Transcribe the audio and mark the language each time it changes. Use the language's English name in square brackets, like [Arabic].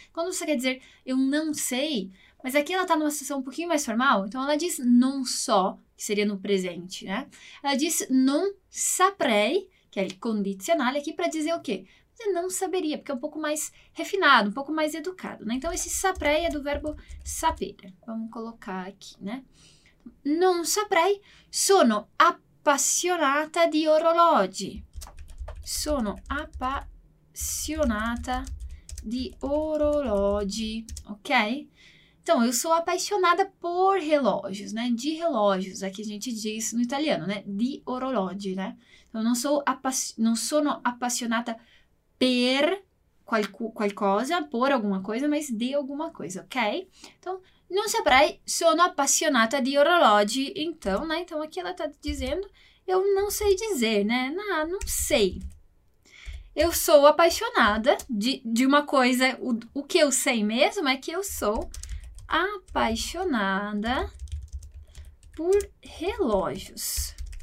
[Portuguese] Quando você quer dizer eu não sei, mas aqui ela está numa situação um pouquinho mais formal, então ela diz [Italian] non so, [Portuguese] que seria no presente, né? Ela diz [Italian] non saprei, [Portuguese] que é condicional, aqui para dizer o quê? Você não saberia, porque é um pouco mais refinado, um pouco mais educado, né? Então, esse saprei é do verbo sapere. Vamos colocar aqui, né? [Italian] Non saprei, sono appassionata di orologi. Sono appassionata di orologi, ok? [Portuguese] Então, eu sou apaixonada por relógios, né? De relógios, aqui a gente diz no italiano, né? Di orologi, né? Então, não sou [Italian] sono appassionata per qualcosa, [Portuguese] por alguma coisa, mas de alguma coisa, ok? Então, [Italian] non saprei, sono appassionata di orologi. [Portuguese] Então, né? Então, aqui ela tá dizendo, eu não sei dizer, né? Não sei. Eu sou apaixonada de uma coisa, o que eu sei mesmo é que eu sou apaixonada por relógios.